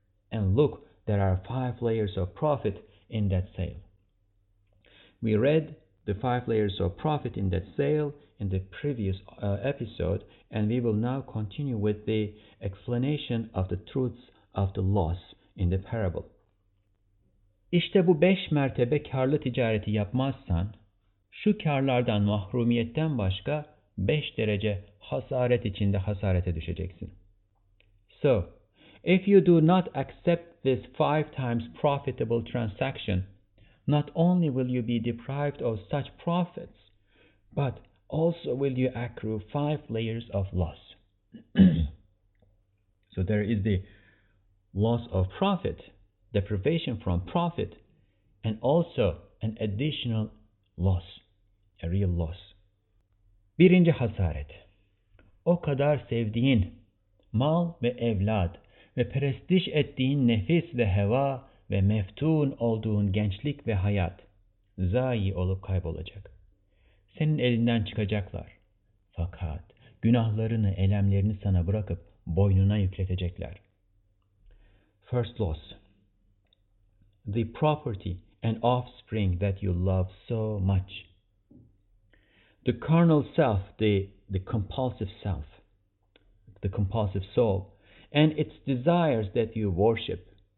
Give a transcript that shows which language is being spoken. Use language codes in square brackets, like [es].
[en] And look, there are 5 layers of profit in that sale. We read the 5 layers of profit in that sale in the previous episode, and we will now continue with the explanation of the truths of the loss in the parable. [tr] İşte bu 5 mertebe karlı ticareti yapmazsan, şu karlardan mahrumiyetten başka 5 derece hasaret içinde hasarete düşeceksin. [en] So, if you do not accept this 5 times profitable transaction, not only will you be deprived of such profits, but also will you accrue 5 layers of loss. So there is the loss of profit, deprivation from profit, and also an additional loss, a real loss. [tr] Birinci hasaret. O kadar sevdiğin mal ve evlat ve prestij ettiğin nefis ve heva ve meftun olduğun gençlik ve hayat zayi olup kaybolacak. Senin elinden çıkacaklar. Fakat günahlarını, elemlerini sana bırakıp boynuna yükletecekler. [en] First loss. The property and offspring that you love so much. The carnal self, the compulsive self, the compulsive soul, and its desires that you worship.